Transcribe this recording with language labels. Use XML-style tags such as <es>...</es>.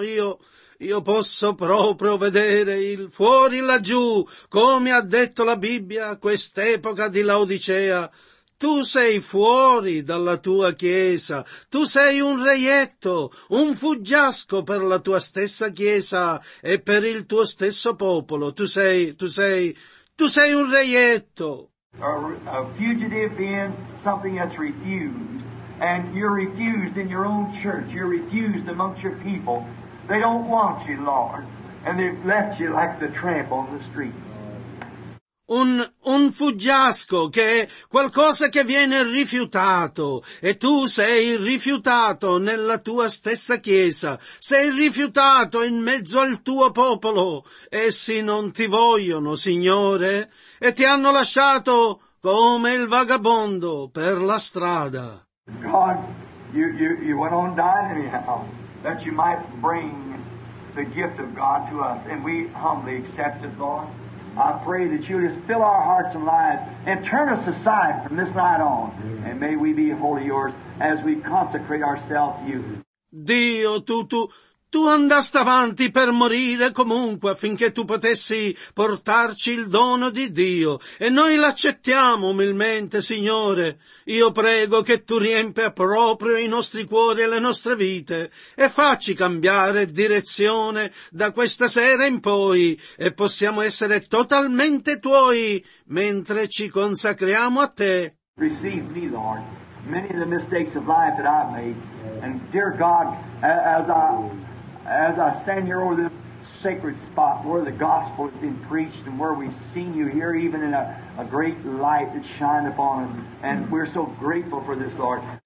<it>Io posso proprio vedere il fuori laggiù, come ha detto la Bibbia a quest'epoca di Laodicea. Tu sei fuori dalla tua chiesa, tu sei un reietto, un fuggiasco per la tua stessa chiesa e per il tuo stesso popolo. Tu sei un reietto.</it> <en>A fugitive being something that's refused, and you're refused in your own church, you're refused amongst your people. They don't want you, Lord, and they've left you like the tramp on the street.</en> <it>Un fuggiasco, che è qualcosa che viene rifiutato, e tu sei rifiutato nella tua stessa chiesa, sei rifiutato in mezzo al tuo popolo, essi non ti vogliono, Signore, e ti hanno lasciato come il vagabondo per la strada.</it> <en>God, you went on dying anyhow, that you might bring the gift of God to us, and we humbly accept it, Lord. I pray that you just fill our hearts and lives and turn us aside from this night on. And may we be wholly yours as we consecrate ourselves to you.</en> <it>Dio, tu andasti avanti per morire comunque affinché tu potessi portarci il dono di Dio. E noi l'accettiamo umilmente, Signore. Io prego che tu riempia proprio i nostri cuori e le nostre vite e facci cambiare direzione da questa sera in poi e possiamo essere totalmente tuoi mentre ci consacriamo a te.</it> <en>Receive me, Lord, many of the mistakes of life that I've made. And dear God, as I stand here over this sacred spot where the gospel has been preached and where we've seen you here even in a great light that shined upon us, and we're so grateful for this, Lord.</en>